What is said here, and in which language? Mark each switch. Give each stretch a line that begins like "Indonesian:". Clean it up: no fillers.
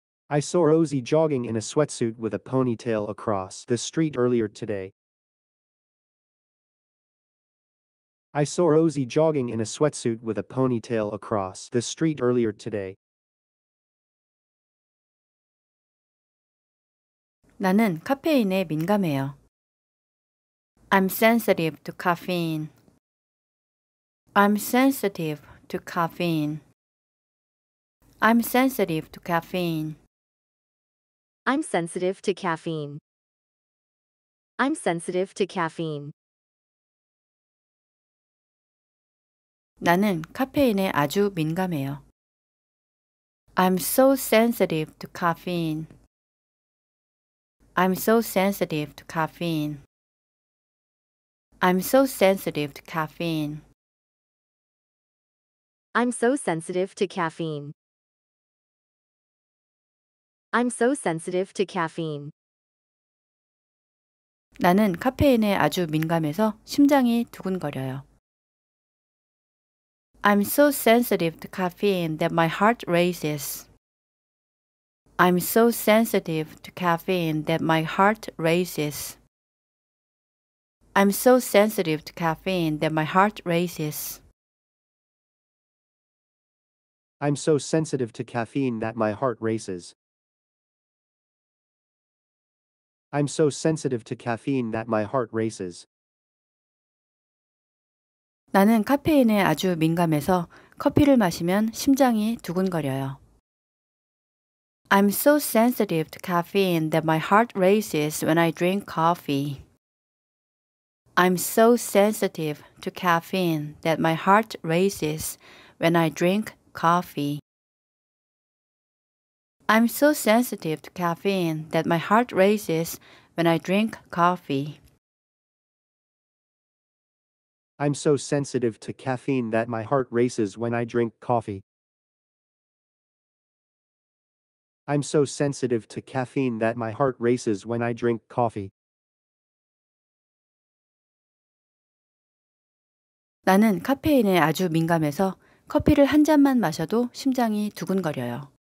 English: I saw Rosy jogging in a sweatsuit with a ponytail across the street earlier today. I saw Rosy jogging in a sweatsuit with a ponytail across the street earlier today.
Korean: 나는 카페인에 민감해요.
English: I'm sensitive to caffeine. I'm sensitive to caffeine. I'm sensitive to caffeine. I'm sensitive to caffeine. I'm sensitive to caffeine.
Korean: 나는 카페인에 아주 민감해요.
English: I'm so sensitive to caffeine. I'm so sensitive to caffeine. I'm so sensitive to caffeine. I'm so sensitive to caffeine. I'm so sensitive to caffeine.
Korean: 나는 카페인에 아주 민감해서 심장이 두근거려요.
English: I'm so sensitive to caffeine that my heart races. I'm so sensitive to caffeine that my heart races. I'm so sensitive to caffeine that my heart races. I'm so sensitive to caffeine that my heart races. I'm so sensitive to caffeine that my heart races.
Korean: 나는 카페인에 아주 민감해서 커피를 마시면 심장이 두근거려요.
English: I'm so sensitive to caffeine that my heart races when I drink coffee. I'm so sensitive to caffeine that my heart races when I drink coffee. I'm so sensitive to caffeine that my heart races when I drink coffee. I'm so sensitive to caffeine that my heart races when I drink coffee. I'm so sensitive to caffeine that my heart races when I drink coffee.
Korean: 나는 카페인에 아주 민감해서 커피를 한 잔만 마셔도 심장이 두근거려요.